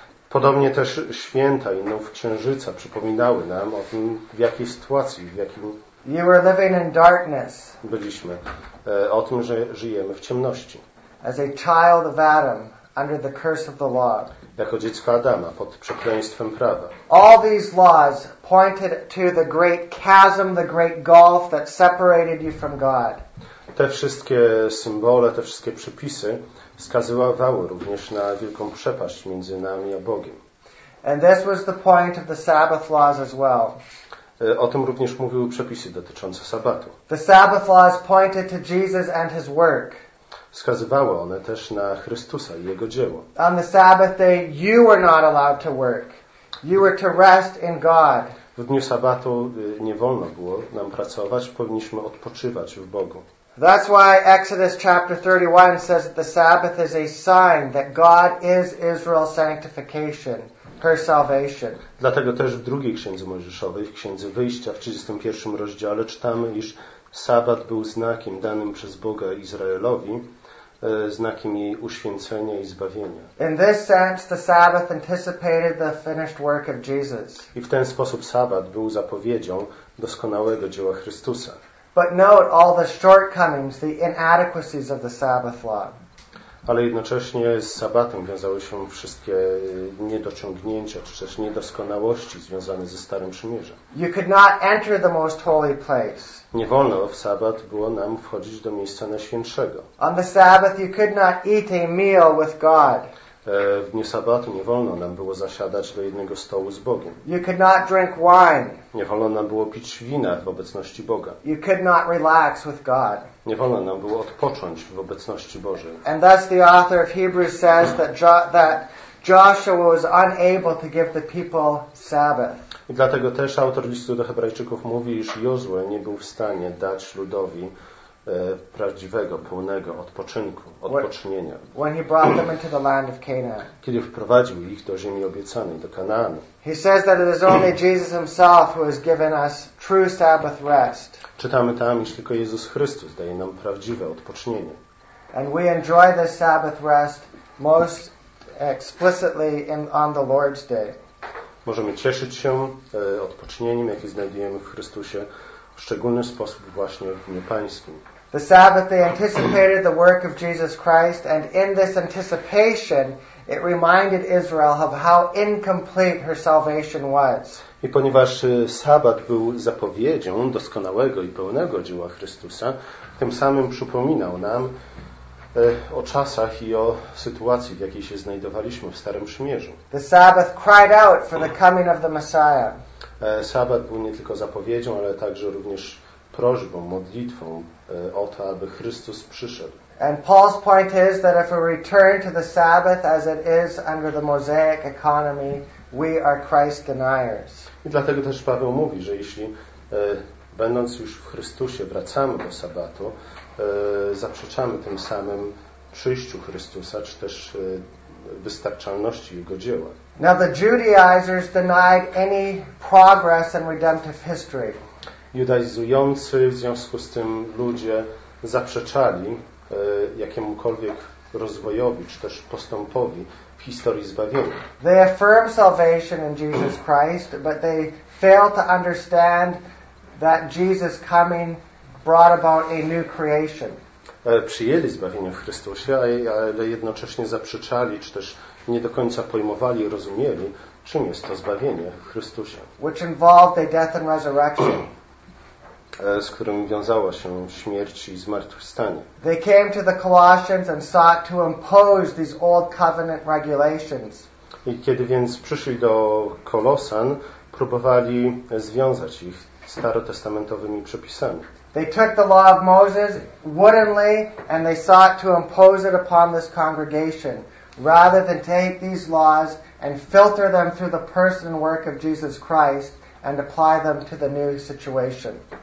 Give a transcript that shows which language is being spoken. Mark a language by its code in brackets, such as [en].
[pl] Podobnie też święta i nów księżyca przypominały nam o tym, w jakiej sytuacji, w jakim [en] you were living in darkness. [pl] Byliśmy. O tym, że żyjemy w ciemności. [en] As a child of Adam, under the curse of the law. [pl] Jako dziecko Adama, pod przekleństwem prawa. [en] All these laws pointed to the great chasm, the great gulf that separated you from God. [pl] Te wszystkie symbole, te wszystkie przepisy wskazywały również na wielką przepaść między nami a Bogiem. [en] And this was the point of the Sabbath laws as well. [pl] O tym również mówiły przepisy dotyczące sabbatu. [en] The Sabbath laws pointed to Jesus and his work. [pl] Wskazywały one też na Chrystusa i jego dzieło. [en] On the Sabbath day you were not allowed to work. You were to rest in God. [pl] W dniu sabbatu nie wolno było nam pracować, powinniśmy odpoczywać w Bogu. [en] That's why Exodus chapter 31 says that the Sabbath is a sign that God is Israel's sanctification, her salvation. [pl] Dlatego też w drugiej księdze Mojżeszowej, w księdze Wyjścia w 31 rozdziale czytamy, iż sabbat był znakiem danym przez Boga Izraelowi, znakiem jej uświęcenia i zbawienia. [en] In this sense, the Sabbath anticipated the finished work of Jesus. [pl] I w ten sposób sabbat był zapowiedzią doskonałego dzieła Chrystusa. [en] But note all the shortcomings, the inadequacies of the Sabbath law. [pl] Ale jednocześnie z sabbatem wiązały się wszystkie niedociągnięcia, czy też niedoskonałości związane ze Starym Przymierzem. [en] You could not enter the most holy place. [pl] Nie wolno w sabbat było nam wchodzić do miejsca najświętszego. [en] On the Sabbath you could not eat a meal with God. [pl] W dniu sabbatu nie wolno nam było zasiadać do jednego stołu z Bogiem. [en] You could not drink wine. [pl] Nie wolno nam było pić wina w obecności Boga. [en] You could not relax with God. [pl] Nie wolno nam było odpocząć w obecności Bożej. [en] And thus the author of Hebrews says that Joshua was unable to give the people Sabbath. [pl] I dlatego też autor listu do Hebrajczyków mówi, iż Jozue nie był w stanie dać ludowi prawdziwego, pełnego odpoczynku, odpocznienia. [en] When he brought them into the land of Canaan. [pl] Kiedy wprowadził ich do ziemi obiecanej, do Kanaanu. [en] He says that it is only Jesus himself who has given us true Sabbath rest. [pl] Czytamy tam, iż tylko Jezus Chrystus daje nam prawdziwe odpocznienie. [en] And we enjoy this Sabbath rest most explicitly in, on the Lord's Day. [pl] Możemy cieszyć się odpocznieniem, jakie znajdujemy w Chrystusie, w szczególny sposób właśnie w Dniu Pańskim. [en] The Sabbath, they anticipated the work of Jesus Christ, and in this anticipation, it reminded Israel of how incomplete her salvation was. [pl] I ponieważ Sabbat był zapowiedzią doskonałego i pełnego dzieła Chrystusa, tym samym przypominał nam o czasach i o sytuacji, w jakiej się znajdowaliśmy w Starym Przymierzu. [en] The Sabbath cried out for the coming of the Messiah. [pl] Sabbat był nie tylko zapowiedzią, ale także również prośbą, modlitwą o to, aby Chrystus przyszedł. [en] And Paul's point is that if we return to the Sabbath as it is under the Mosaic economy, we are Christ deniers. [pl] I dlatego też Paweł mówi, że jeśli będąc już w Chrystusie wracamy do Sabbatu, zaprzeczamy tym samym przyjściu Chrystusa, czy też wystarczalności Jego dzieła. [en] Now the Judaizers denied any progress in redemptive history. [pl] Judaizujący, w związku z tym ludzie, zaprzeczali jakiemukolwiek rozwojowi, czy też postępowi w historii zbawienia. [en] They affirm salvation in Jesus Christ, but they fail to understand that Jesus coming brought about a new creation. [pl] Przyjęli zbawienie w Chrystusie, ale jednocześnie zaprzeczali, czy też nie do końca pojmowali i rozumieli, czym jest to zbawienie w Chrystusie. [en] Which involved a death and resurrection. [pl] Z którym wiązała się śmierć i zmartwychwstanie. [en] They came to the Colossians and sought to impose these old covenant regulations. [pl] I kiedy więc przyszli do Kolosan, próbowali związać ich starotestamentowymi przepisami. [en] They took the law of Moses woodenly and they sought to impose it upon this congregation rather than take these laws and filter them through the person and work of Jesus Christ and apply them to the new situation.